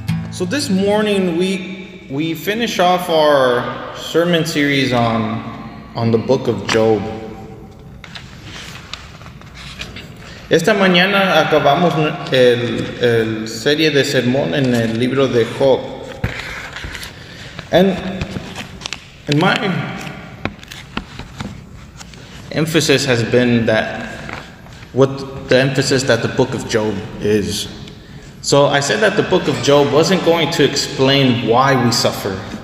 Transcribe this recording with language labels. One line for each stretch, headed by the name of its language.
English: So this morning we finish off our sermon series on the book of Job.
Spanish: Esta mañana acabamos el serie de sermón en el libro de Job.
English: And my emphasis has been that what the emphasis that the book of Job is. So I said that the book of Job wasn't going to explain why we suffer.